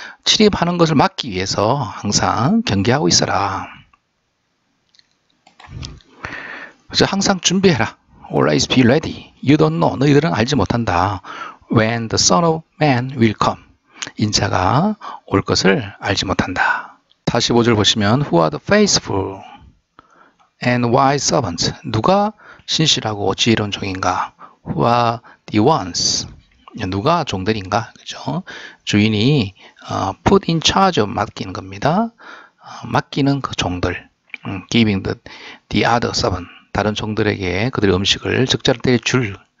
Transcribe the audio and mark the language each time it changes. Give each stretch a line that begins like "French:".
Korean: 침입하는 것을 막기 위해서 항상 경계하고 있어라. 그래서 항상 준비해라.
English: Always be ready. You don't know.
Korean: 너희들은 알지 못한다.
English: When the Son of Man will come.
Korean: 인자가 올 것을 알지 못한다. 45절 보시면,
English: Who are the faithful and wise servants?
Korean: 누가 신실하고 지혜로운 종인가?
English: Who are the ones?
Korean: 누가 종들인가? 그죠? 주인이
English: put in charge of
Korean: 맡기는 겁니다. 맡기는 그 종들.
English: Giving the other servant.
Korean: 다른 종들에게 그들의 음식을 적절히 때려 줄.